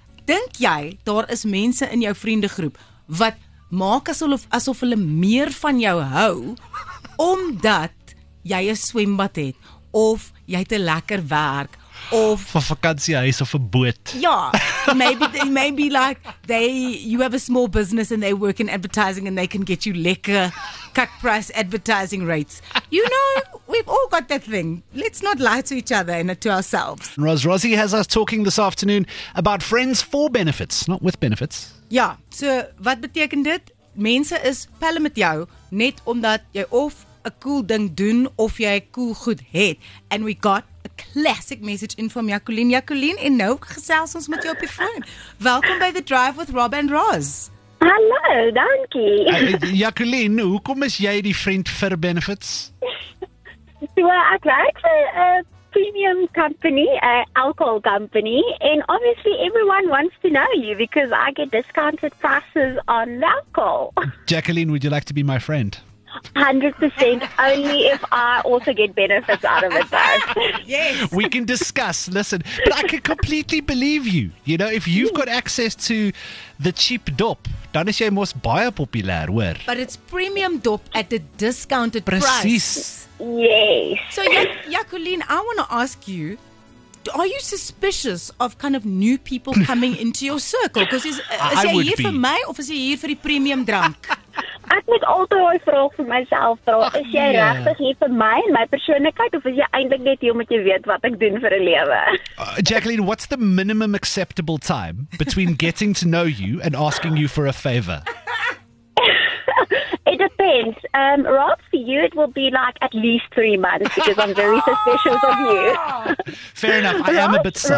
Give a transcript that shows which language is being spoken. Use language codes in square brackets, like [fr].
[af] Dink jy, daar is mense in jou vriendengroep wat maak asof hulle meer van jou hou, omdat jy 'n swembad het, of jy het 'n lekker werk, of for vakansiehuis of 'n boot. [en] Ja, maybe you have a small business and they work in advertising and they can get you lekker cut price advertising rates. You know, we've all got that thing. Let's not lie to each other and to ourselves. Rosie has us talking this afternoon about friends for benefits, not with benefits. [af] Ja, so wat beteken dit? Mense is pelle met jou net omdat jy of 'n cool ding doen of jy cool goed het. [en] And we got classic message in from Jacqueline. [af] Jacqueline, en nou gesels ons met jou op die phone. Welkom by The Drive with Rob and Roz. Hallo, dankie. Jacqueline, hoekom is jy die friend for benefits? [en] So, [af] ek werk vir [en] a premium company, an alcohol company, and obviously everyone wants to know you because I get discounted prices on alcohol. Jacqueline, would you like to be my friend? 100% only if I also get benefits out of it, though. Yes. We can discuss. Listen, but I can completely believe you. You know, if you've got access to the cheap dop, [af] dan is jy mos baie populair, hoor. [en] But it's premium dop at a discounted price. Yes. So, Jacqueline, I want to ask you, are you suspicious of kind of new people coming into your circle? [af] Because is jy hier vir my of is jy hier vir die premium drank? Ek moet altyd daai vraag vir myself vra. Is jy regtig hier vir my en my persoonlikheid of is jy eintlik net hier om te weet wat ek doen vir 'n lewe? [en] Jacqueline, what's the minimum acceptable time between getting to know you and asking you for a favor? It depends. Rob, for you it will be like at least 3 months because I'm very suspicious of you. Fair enough. I am a bit sus.